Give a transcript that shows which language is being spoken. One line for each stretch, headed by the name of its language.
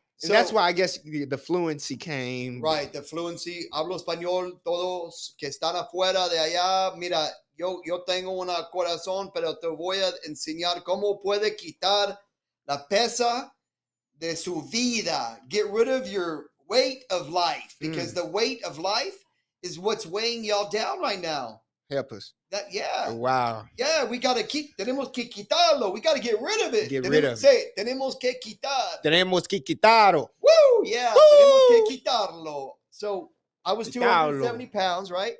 English: So, that's why I guess the fluency came. Right. The fluency.
Spanish: Hablo español. Todos que están afuera de allá. Mira, yo tengo un corazón, pero te voy a enseñar cómo puede quitar la pesa de su vida.
English: Get rid of your weight of life, because the weight of life is what's weighing y'all down right now. Help us. That, yeah. Wow. Yeah, we got to keep.
Spanish: Tenemos que quitarlo.
English: We got to get rid of it. Say,
Spanish: tenemos que quitar. Tenemos que quitarlo.
English: Woo! Yeah. Woo!
Spanish: Tenemos que quitarlo.
English: So I was 270 pounds, right?